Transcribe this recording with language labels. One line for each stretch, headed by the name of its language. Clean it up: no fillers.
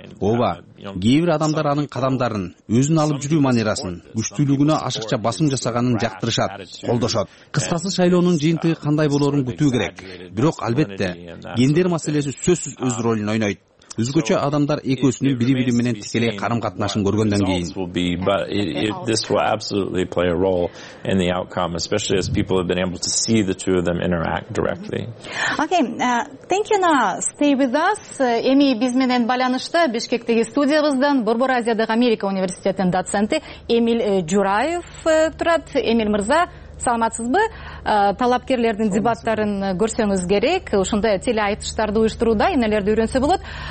Kyrgyz: Ооба, кээ бир адамдар анын кадамдарын, өзүн алып жүрүү манерасын, күчтүүлүгүнө ашыкча басым жасаганын жактырышат, колдошот. Кыскасы, шайлоонун жыйынтыгы кандай болорун күтүү керек. Бирок албетте, гендер маселеси сөзсүз өз ролун ойнойт. Өзгөчө адамдар экөөсүнүн бири-бири менен тикелей карым катнашын көргөндөн кийин.
English: This will absolutely play a role in the outcome, especially as people have been able to see the two of them interact directly. Okay, thank you, Noah. Stay with us.
Kyrgyz: Эми биз менен байланышта Бишкектеги студиябыздан Борбор Азиядагы Америка университетинин доценти Эмиль Жураев турат. Эмиль мырза, саламатсызбы? Талапкерлердин дебаттарын көрсөңүз керек. Ушундай теле айтыштарды уюштурууда инелерди үйрөнсө болот.